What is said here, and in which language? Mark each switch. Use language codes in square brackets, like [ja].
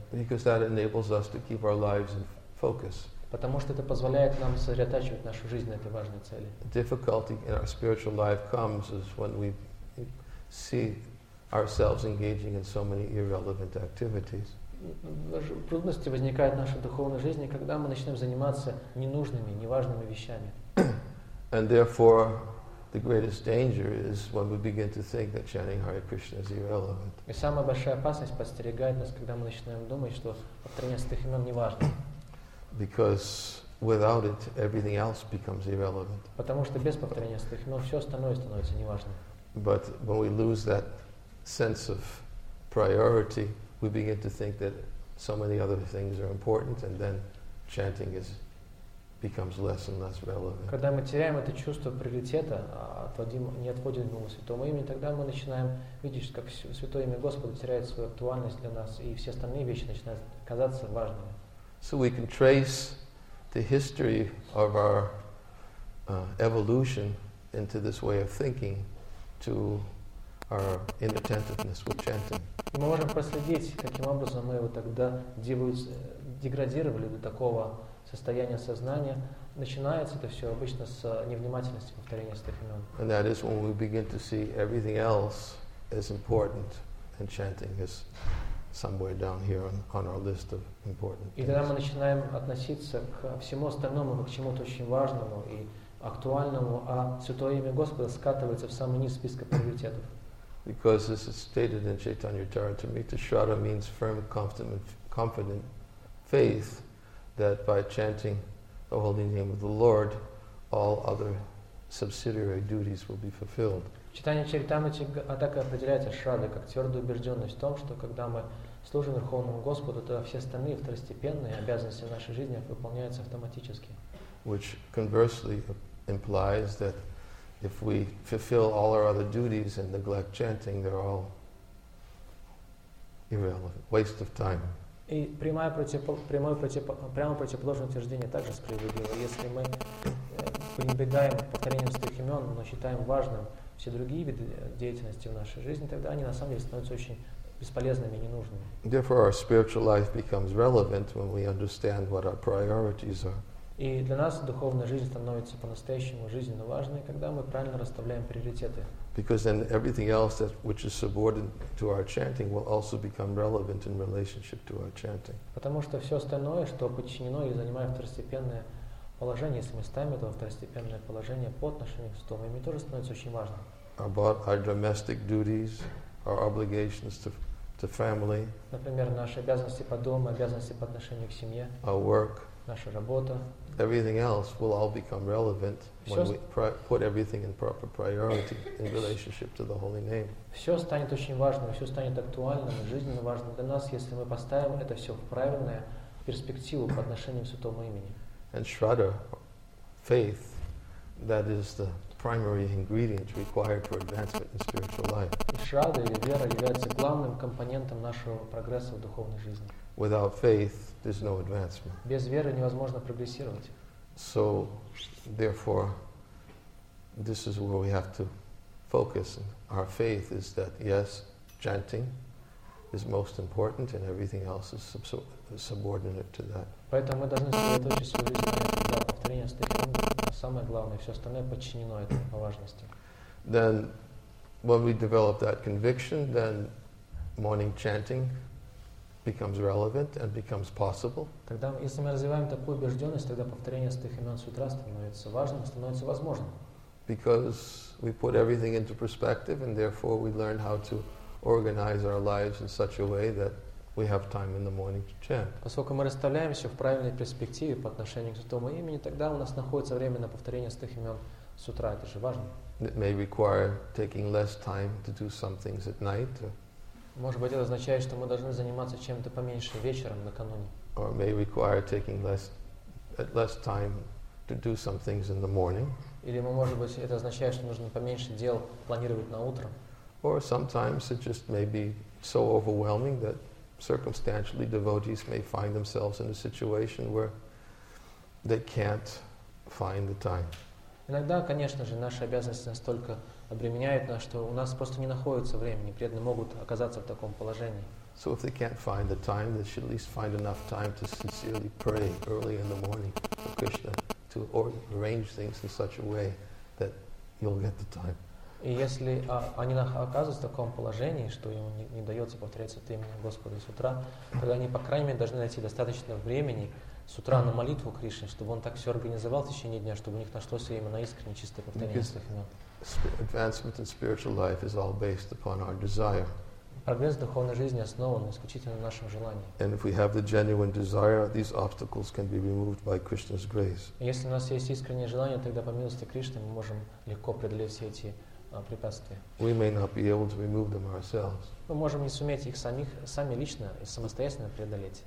[en] Because that enables us to keep our lives in focus. [ru] Потому что это позволяет нам сосредотачивать нашу жизнь на этой важной цели. [en] Difficulty in our spiritual life comes is when we see ourselves engaging in so many irrelevant activities. [ru] Трудности возникают в нашей духовной жизни, когда мы начинаем заниматься ненужными, неважными вещами. [en] And therefore, the greatest danger is when we begin to think that chanting Hare Krishna is irrelevant. [ru] И самая большая опасность подстерегает нас, когда мы начинаем думать, что повторение святых имен неважно. [en] Because without it, everything else becomes irrelevant. [ru] Потому что без повторения святых имен все остальное становится неважным. [en] But when we lose that sense of priority, we begin to think that so many other things are important, and then chanting becomes less and less relevant. [ru] Когда мы теряем это чувство приоритета, не отходим от него святого имени, тогда мы начинаем видеть, как святое имя Господа теряет свою актуальность для нас, и все остальные вещи начинают казаться важными. [en] So we can trace the history of our evolution into this way of thinking to our inattentiveness with chanting. [ru] Мы можем проследить, каким образом мы вот тогда деградировали до такого состояния сознания. Начинается это все обычно с невнимательности повторения святых имен. [en] And that is when we begin to see everything else is important, and chanting is somewhere down here on our list of important things. [ru] И тогда мы начинаем относиться к всему остальному к чему-то очень важному и актуальному, а святое имя Господа скатывается в самый низ списка приоритетов. [en] Because this is stated in Chaitanya Charitamrita, Shraddha means firm, confident faith that by chanting the holy name of the Lord, all other subsidiary duties will be fulfilled. [ru] Chaitanya Charitamrita так и определяет Шрадду как твердую убежденность в том, что когда мы служим Верховному Господу, то все остальные второстепенные обязанности в нашей жизни выполняются автоматически. [en] Which conversely implies that if we fulfill all our other duties and neglect chanting, they're all irrelevant, waste of time. [ru] И прямо противоположное утверждение также справедливо. Если мы пренебрегаем повторением святых имен, но считаем важным все другие виды деятельности в нашей жизни, тогда они на самом деле становятся очень бесполезными и ненужными. [en] Therefore, our spiritual life becomes relevant when we understand what our priorities are. [ru] И для нас духовная жизнь становится по-настоящему жизненно важной, когда мы правильно расставляем приоритеты. [en] Because then everything else that which is subordinate to our chanting will also become relevant in relationship to our chanting. [ru] Потому что все остальное, что подчинено и занимает второстепенное положение, если мы ставим это второстепенное положение по отношению к святому имени, тоже становится очень важным. [en] About our domestic duties, our obligations to family. [ru] Например, наши обязанности по дому, обязанности по отношению к семье. [en] Our work. [ru] наша работа. [en] Everything else will all become relevant when we put everything in proper priority in relationship to the Holy Name. [ru] Все станет очень важным, все станет актуальным, жизненно важным для нас, если мы поставим это все в правильную перспективу по отношению к Святому имени. [en] And Shraddha, faith, that is the primary ingredient required for advancement in spiritual life. [ru] Шрадха или вера является главным компонентом нашего прогресса в духовной жизни. [en] Without faith, there's no advancement. [ru] Без веры невозможно прогрессировать. [en] So, therefore, this is where we have to focus. And our faith is that yes, chanting is most important, and everything else is subordinate to that. [ru] Поэтому мы должны сосредоточить свою жизнь на этом. Да, повторение стихи – самое главное. Все остальное подчинено этому по важности. [en] Then, when we develop that conviction, then morning chanting becomes relevant and becomes possible. [ru] Тогда, если мы развиваем такую убежденность, тогда повторение стих имен с утра становится важным, становится возможным. [en] Because we put everything into perspective, and therefore we learn how to organize our lives in such a way that we have time in the morning to chant. [ru] Поскольку мы расставляем все в правильной перспективе по отношению к Святому имени, тогда у нас находится время на повторение стих имен с утра. Это же важно. [en] It may require taking less time to do some things at night. [ru] Может быть, это означает, что мы должны заниматься чем-то поменьше вечером, накануне. [en] Or may require taking less time to do some things in the morning. [ru] Или, может быть, это означает, что нужно поменьше дел планировать на утро. [en] Or sometimes it just may be so overwhelming that circumstantially devotees may find themselves in a situation where they can't find the time. [ru] Иногда, конечно же, наши обязанности настолько обременяют нас, что у нас просто не находится времени, преданные могут оказаться в таком положении. [en] So if they can't find the time, they should at least find enough time to sincerely pray early in the morning for Krishna to arrange things in such a way that you'll get the time. [ru] И если они оказываются в таком положении, что им не дается повторяться от имени Господа с утра, тогда они, по крайней мере, должны найти достаточно времени с утра на молитву Кришне, чтобы он так все организовал в течение дня, чтобы у них нашлось время на искренне чистое повторение своих имен. [en] Advancement in spiritual life is all based upon our desire. [ru] Прогресс в духовной жизни основан исключительно на нашем желании. [en] And if we have the genuine desire, these obstacles can be removed by Krishna's grace. [ru] Если у нас есть искреннее желание, тогда по милости Кришны мы можем легко преодолеть все эти препятствия. [en] We may not be able to remove them ourselves. [ru] Мы можем не суметь их сами лично и самостоятельно преодолеть.